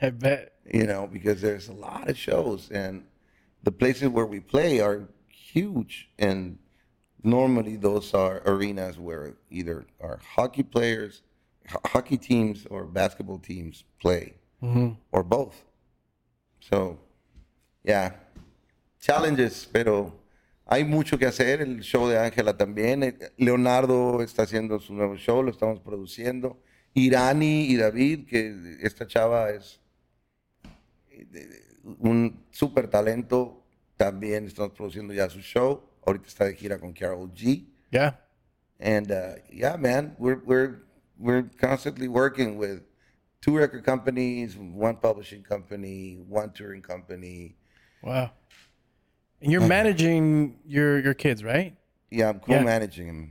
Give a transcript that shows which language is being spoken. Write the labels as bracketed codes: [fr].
[en] I bet. You know, because there's a lot of shows, and the places where we play are huge. And normally those are arenas where either our hockey players, hockey teams, or basketball teams play, mm-hmm, or both. So, yeah, challenges, [es] pero hay mucho que hacer. El show de Ángela también. Leonardo está haciendo su nuevo show, lo estamos produciendo. Irani y David, que esta chava es un super talento, También estamos produciendo ya su show. Ahorita está de gira con Carol G. [en] Yeah. And yeah, man, we're constantly working with two record companies, one publishing company, one touring company. Wow. And you're managing your kids, right? Yeah, I'm co-managing them.